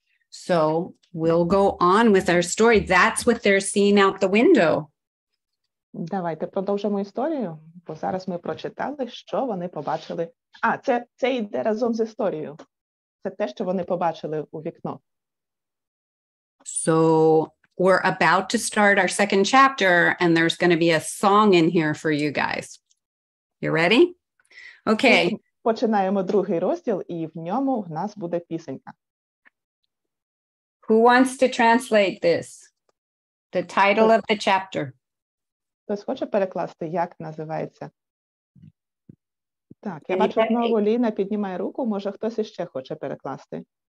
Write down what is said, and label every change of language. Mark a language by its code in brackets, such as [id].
[en] So we'll go on with our story. That's what they're seeing out the window. [uk] Давайте продовжимо історію, бо зараз ми прочитали, що вони побачили. А, це йде разом з історією. Це те, що вони побачили у вікно. [en] So we're about to start our second chapter, and there's going to be a song in here for you guys. You ready? Okay. [uk] Починаємо другий розділ, і в ньому у нас буде пісенька. [en] Who wants to translate this? The title of the chapter. [uk] Хтось хоче перекласти, як називається? Так, я бачу, знову Ліна піднімає руку, може хтось ще хоче перекласти?